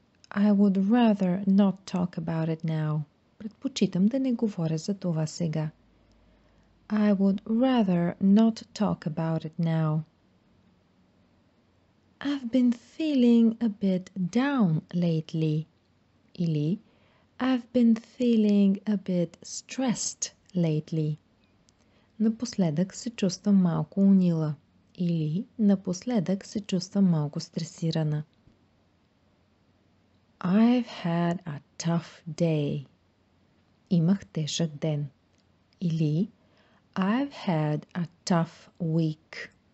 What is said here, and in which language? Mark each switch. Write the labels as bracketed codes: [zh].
[en] I would rather not talk about it now. [bg] Предпочитам да не говоря за това сега. [en] I would rather not talk about it now. I've been feeling a bit down lately. Или I've been feeling a bit stressed lately. [bg] Напоследък се чувствам малко унила. Или напоследък се чувствам малко стресирана. [en] I've had a tough day. [bg] Имах тежък ден. [en] Или I've had a tough week.